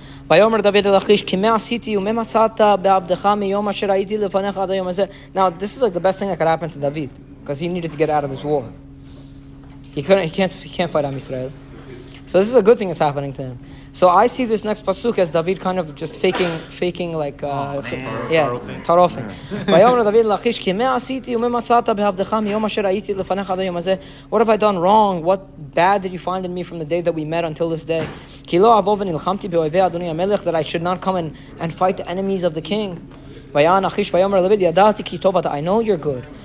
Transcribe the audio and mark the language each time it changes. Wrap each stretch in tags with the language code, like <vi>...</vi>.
<he>ויאמר דוד אל אחיש כי מה עשיתי ומה מצאת בעבדך מיום אשר הייתי לפניך עד היום הזה.</he> <en>Now this is like the best thing that could happen to David, because he needed to get out of this war. He can't fight Am Israel. So this is a good thing that's happening to him. So I see this next pasuk as David kind of just faking like tarofing.</en> <he>ויאמר דוד אל אחיש כי מה עשיתי ומה מצאת בעבדך מיום אשר הייתי לפניך עד היום הזה.</he> <en>What have I done wrong? What bad did you find in me from the day that we met until this day?</en> <he>כי לא אבוא ונלחמתי באויבי אדוני המלך,</he> <en>that I should not come and fight the enemies of the king.</en> <he>ויען אחיש ויאמר דוד, ידעתי כי טוב אתה,</he> <en>I know you're good.</en>